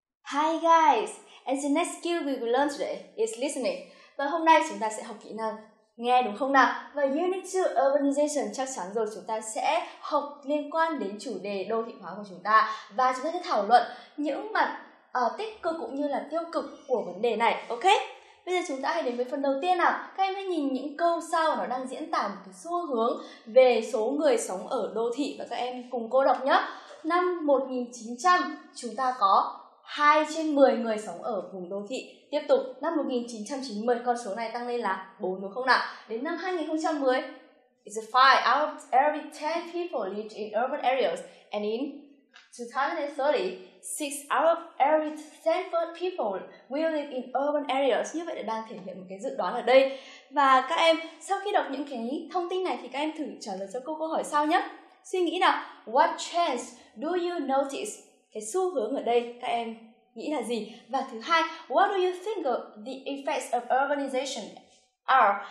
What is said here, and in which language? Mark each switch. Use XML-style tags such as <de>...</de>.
<en>And the next skill we will learn today is listening.</en> <vi>Và hôm nay chúng ta sẽ học kỹ năng nghe đúng không nào? Và Unit 2 Urbanization chắc chắn rồi chúng ta sẽ học liên quan đến chủ đề đô thị hóa của chúng ta. Và chúng ta sẽ thảo luận những mặt tích cực cũng như là tiêu cực của vấn đề này, ok? Bây giờ chúng ta hãy đến với phần đầu tiên nào. Các em hãy nhìn những câu sau, nó đang diễn tả một cái xu hướng về số người sống ở đô thị. Và các em cùng cô đọc nhé. Năm 1900, chúng ta có 2 trên 10 người sống ở vùng đô thị. Tiếp tục, năm 1990, con số này tăng lên là 4 đúng không nào? Đến năm 2010,</vi> <en>it's a 5 out of every 10 people live in urban areas. And in 2030, 6 out of every 10 people will live in urban areas.</en> <vi>Như vậy là đang thể hiện một cái dự đoán ở đây. Và các em, sau khi đọc những cái thông tin này thì các em thử trả lời cho câu hỏi sau nhé. Suy nghĩ nào,</vi> <en>what change do you notice?</en> <vi>Cái xu hướng ở đây các em nghĩ là gì? Và thứ hai,</vi> <en>what do you think of the effects of urbanization are?</en>